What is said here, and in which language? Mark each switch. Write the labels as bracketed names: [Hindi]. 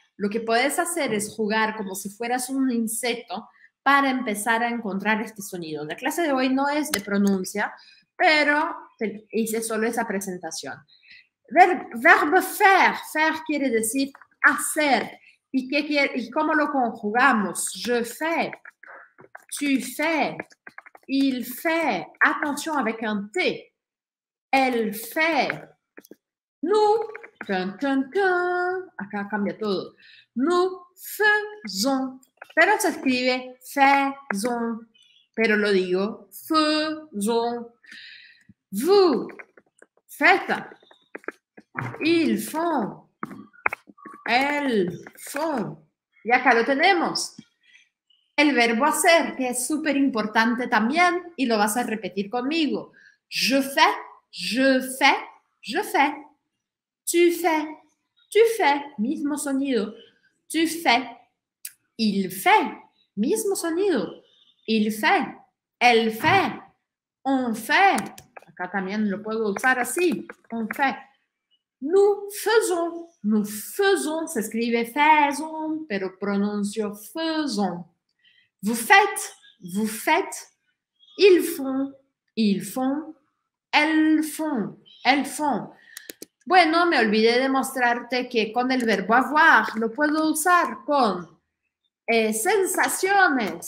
[Spanish] Lo que puedes hacer es jugar como si fueras un insecto para empezar a encontrar este sonido. La clase de hoy no es de pronuncia, pero te hice solo esa presentación. Verbo faire. Faire quiere decir hacer. ¿Y qué quiere, y cómo lo conjugamos? [French] Je fais. Tu fais, il fait, attention avec un T, elle fait, nous, tan, tan, tan. [Spanish] Acá cambia todo, [French] nous faisons, [Spanish] pero se escribe faisons, pero lo digo, faisons, [French] vous, faites, ils font, elles font, [Spanish] y acá lo tenemos. El verbo hacer, que es súper importante también, y lo vas a repetir conmigo. [French] Je fais, je fais, je fais. Tu fais, tu fais, [Spanish] mismo sonido. [French] Tu fais, il fait, [Spanish] mismo sonido. [French] Il fait, elle fait, on fait. [Spanish] Acá también lo puedo usar así, [French] on fait. Nous faisons, [Spanish] se escribe faisons, pero pronuncio faisons. [French] Vous faites, ils font, elles font. [Spanish] Bueno, me olvidé de mostrarte que con el verbo avoir lo puedo usar con sensación.